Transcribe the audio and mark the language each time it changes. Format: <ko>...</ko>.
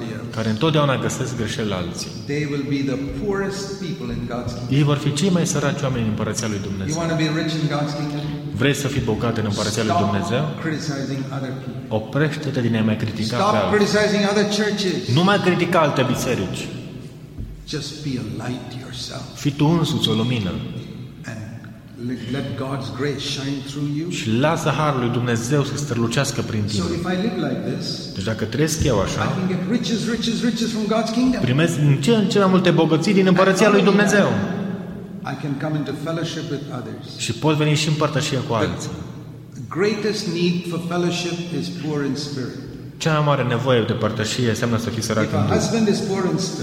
<ro>care întotdeauna găsesc greșeli la alții.</ro> <en>They will be the poorest people in God's kingdom.</en> <ro>Ei vor fi cei mai săraci oameni în împărăția lui Dumnezeu.</ro> <en>You want to be rich in God's kingdom?</en> <ro>Vrei să fii bogat în împărăția lui Dumnezeu?</ro> <en>Criticizing other people.</en> <ro>Oprește-te din a mai critica</ro> <en>Stop</en> <ro>pe alții.</ro> <en>Criticizing other churches.</en> <ro>Nu mai critica alte biserici.</ro> <en>Just be a light yourself.</en> <ro>Fii tu însuți o lumină.</ro> <en>And Let God's grace shine through you.</en> <ro>Și lasă harul lui Dumnezeu să strălucească prin tine.</ro> <en>So if I live like this,</en> <ro>deci dacă trăiesc eu așa,</ro> <en>I can get riches, riches, riches from God's kingdom.</en> <ro>Primesc din ce în ce mai multe bogății din împărăția lui Dumnezeu.</ro> <en>I can come into fellowship with others.</en> <ro>Și pot veni și în părtășie cu alții.</ro> <en>The greatest need for fellowship is poor in spirit.</en> <ro>Cea mai mare nevoie de părtășie înseamnă să fii sărac în Duhul.</ro>